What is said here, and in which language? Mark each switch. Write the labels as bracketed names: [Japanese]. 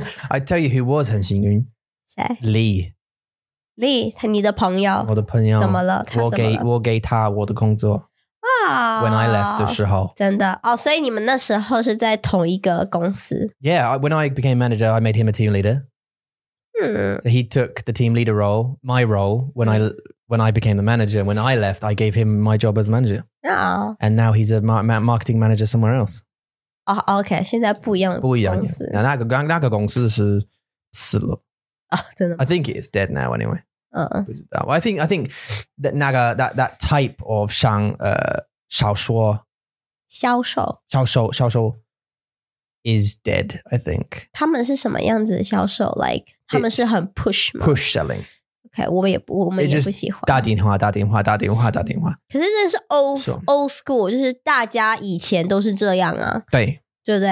[English] I tell you who was [Chinese] 很幸运 [English] Lee. [Chinese] Lee, 他你的朋友。我的朋友。怎么了？他怎么了？我给他我的工作。啊。 [English] When I left [Chinese] 的时候。真的。哦，所以你们那时候是在同一个公司。 [English] Yeah, when I became manager, I made him a team leader. So he took the team leader role, my role, when I became the manager. When I left, I gave him my job as manager. And now he's a marketing manager somewhere else. Oh, okay, [Chinese] 现在不一样的公司。不一样的。那个公司是死了。 [English] Oh, [Chinese] 真的吗? [English] I think it's dead now anyway. I think that, [Chinese] 那个, [English] that type of [Chinese] 像, 小说。销售。销售 [English] is dead, I think. [Chinese] 他们是什么样子的销售? [English] Like, [Chinese] 他们是很 [English] push [Chinese] 吗? [English] Push selling. Okay, [Chinese] 我们也不喜欢。打电话，打电话，打电话，打电话。可是这是 [English] old school, [Chinese] 就是大家以前都是这样啊。对。对不对？